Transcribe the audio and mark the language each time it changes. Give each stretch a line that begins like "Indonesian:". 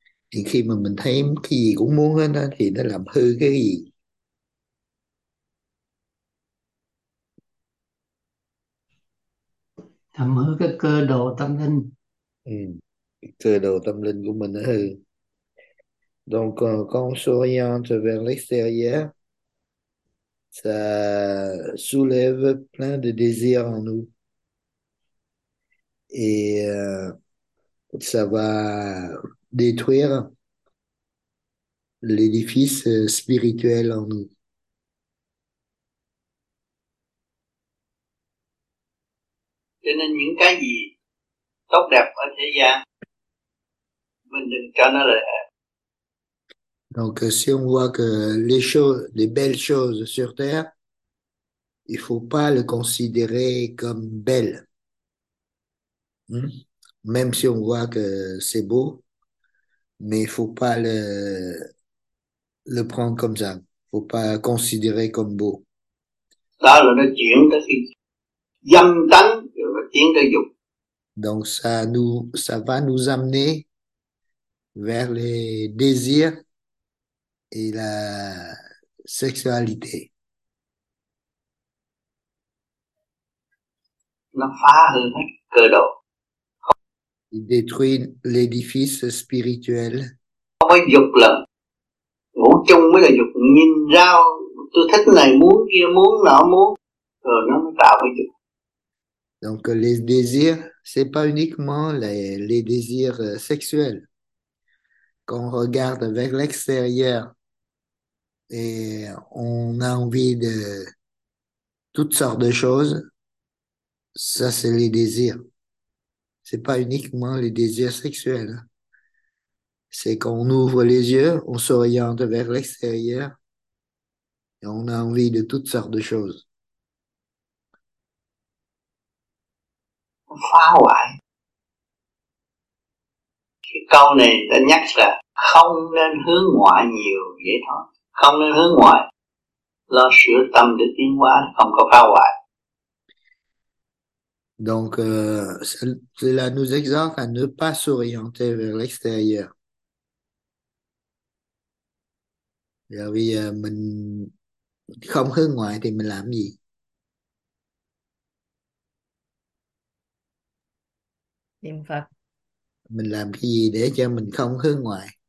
Vietnamese: Thì khi mà mình thấy cái gì cũng muốn hết đó, thì nó làm hư cái gì? Làm hư cái cơ đồ tâm linh. Cơ đồ tâm linh của mình nó hư.
French: Donc con soyons vers l'extérieur, ça soulève plein de désirs en nous. Et ça va détruire l'édifice spirituel en nous.
Vietnamese: Cho nên những cái gì tốt đẹp ở thế gian mình đừng cho nó là
French: Donc, si on voit que les belles choses sur Terre, il faut pas le considérer comme belle. Même si on voit que c'est beau, mais il faut pas le prendre comme ça. Faut pas considérer comme beau.
Vietnamese: là nó chuyển tới khi dâm tánh
French: Donc, ça va nous amener vers les désirs et la sexualité.
Vietnamese: nó phá hư hết cơ đồ,
French: Il détruit l'édifice spirituel.
Vietnamese: không có dục lận, ngủ chung mới là dục, nhìn ra tôi thích này muốn kia muốn nọ muốn rồi nó mới tạo cái dục.
French: Donc les désirs, c'est pas uniquement les désirs sexuels qu'on regarde vers l'extérieur. Et on a envie de toutes sortes de choses. Ça, c'est les désirs. C'est pas uniquement les désirs sexuels. C'est qu'on ouvre les yeux, on s'oriente vers l'extérieur et on a envie de toutes sortes de choses.
Vietnamese: Phá hoại. Cái câu này đã nhắc là không nên hướng ngoại nhiều vậy thôi, không nên hướng ngoại, lo sửa tâm để tiến hóa, không có phá hoại.
French: Donc, cela nous exhorte à ne pas s'orienter vers l'extérieur.
Vietnamese: Là vì mình không hướng ngoại thì mình làm gì? Niệm Phật. Mình làm cái gì để cho mình không hướng ngoại?